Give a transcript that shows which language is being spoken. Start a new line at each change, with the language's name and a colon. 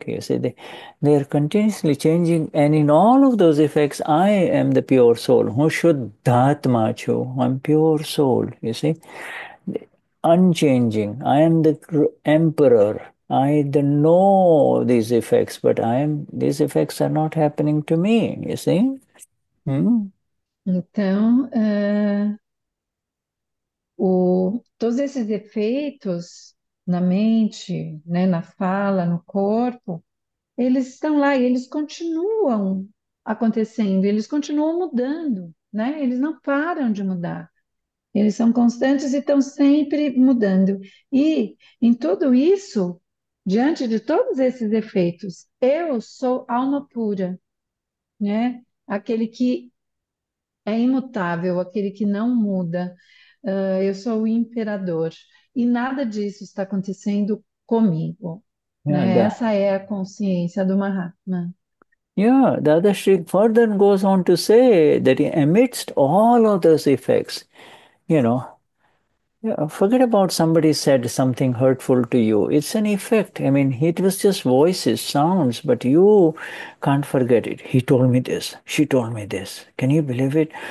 English: You see, they are continuously changing, and in all of those effects, I am the pure soul. Who should Dhatmachu? I'm pure soul, you see. Unchanging. I am the emperor. I don't know these effects, but these effects are not happening to me, you see?
Portuguese: Então, todos esses efeitos na mente, né, na fala, no corpo, eles estão lá e eles continuam acontecendo, eles continuam mudando, né? Eles não param de mudar. Eles são constantes e estão sempre mudando. E em tudo isso, diante de todos esses efeitos, eu sou alma pura, né? Aquele que é imutável, aquele que não muda. Eu sou o imperador e nada disso está acontecendo comigo, né? Essa é a consciência do Mahatma.
English: Dadashri further goes on to say that amidst all of those effects, forget about somebody said something hurtful to you. It's an effect. I mean, it was just voices, sounds, but you can't forget it. He told me this. She told me this. Can you believe it?